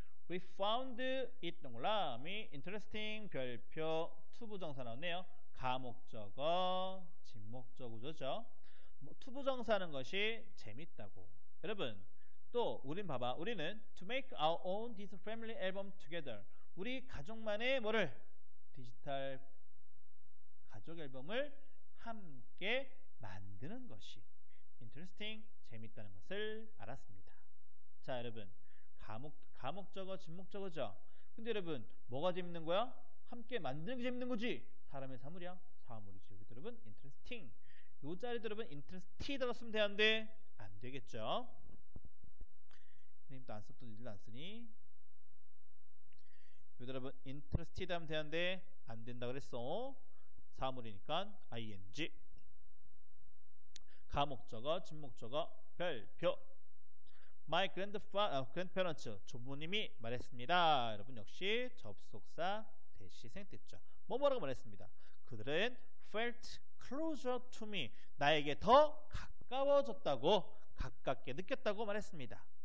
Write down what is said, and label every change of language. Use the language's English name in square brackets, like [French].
[English] We found it [Korean] 놀람이 [English] interesting 별표 to [Korean] 부정사 나오네요. 가목적어 진목적우조죠. 뭐, 투부정사는 것이 재밌다고. 여러분 또 우린 봐봐. 우리는 [English] to make our own digital family album together. [Korean] 우리 가족만의 뭐를 디지털 가족 앨범을 함께 만드는 것이 interesting 재밌다는 것을 알았습니다. 자 여러분 가목적어 진목적어죠. 근데 여러분 뭐가 재밌는 거야? 함께 만드는 게 재밌는 거지. 사람의 사물이야. 사물이지. 여러분 interesting. 요 자리 여러분 interested 썼으면 되는데 안 되겠죠. 선생님도 안 썼던 일도 안 쓰니. 여러분 interested 하면 되는데 안 된다 그랬어. 사물이니까 ing. 가목적어 진목적어 별표. [English] My grandparents, [Korean] 조부님이 말했습니다. 여러분 역시 접속사 대시 생됐죠. 뭐뭐라고 말했습니다. 그들은 [English] felt closer to me. [Korean] 나에게 더 가까워졌다고, 가깝게 느꼈다고 말했습니다.